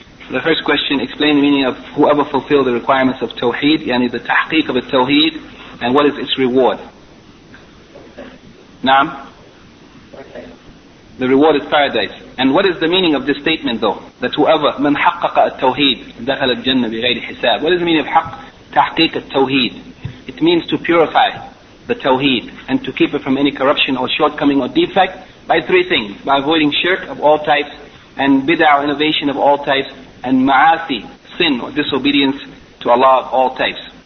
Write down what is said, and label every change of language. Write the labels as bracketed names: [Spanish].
[English] The first question, explain the meaning of whoever fulfilled the requirements of Tawheed, yani the tahqiq of a Tawheed, and what is its reward? Naam? The reward is paradise. And what is the meaning of this statement though? That whoever, [Arabic] من حقق التوحيد دخل الجنة بغير حساب. [English] What is the meaning of [Arabic] حق تحقيق التوحيد? [English] It means to purify the Tawheed and to keep it from any corruption or shortcoming or defect by three things. By avoiding shirk of all types and bid'ah or innovation of all types and ma'asi, sin or disobedience to Allah of all types.